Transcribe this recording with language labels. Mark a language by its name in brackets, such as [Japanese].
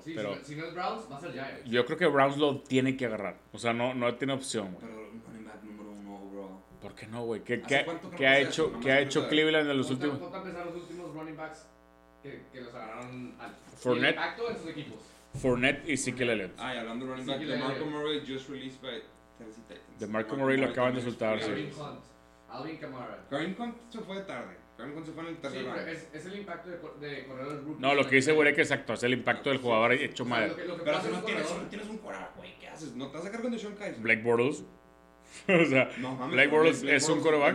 [Spanish] Sí, pero si no es Browns, va a ser Giants. Yo creo que Browns lo tiene que agarrar. O sea, no tiene opción, güey. Pero un running back número uno, bro. ¿Por qué no, güey? ¿Qué ha hecho Cleveland en los últimos... ¿Cuánto han pensado los últimos running backs que los agarraron al... Fournette. ¿Impacto en sus equipos? Fournette y Ezekiel Elliott. Ay, hablando de running back, [English] DeMarco Murray just released by Tennessee Titans. [Spanish] DeMarco Murray lo acaban de soltar, sí. Alvin Kamara. Se fue de tarde. Cuando se fue en el tercer round. Sí, es el impacto de corredor del rookie. No, lo que dice Wereck es exacto. Es el impacto del jugador hecho mal. Pero si no tienes un corredor, güey, ¿qué haces? ¿No te vas a cargar con DeSean Kaiser? Blake Bortles. O sea, no, mames, Blake Bortles es un quarterback. Es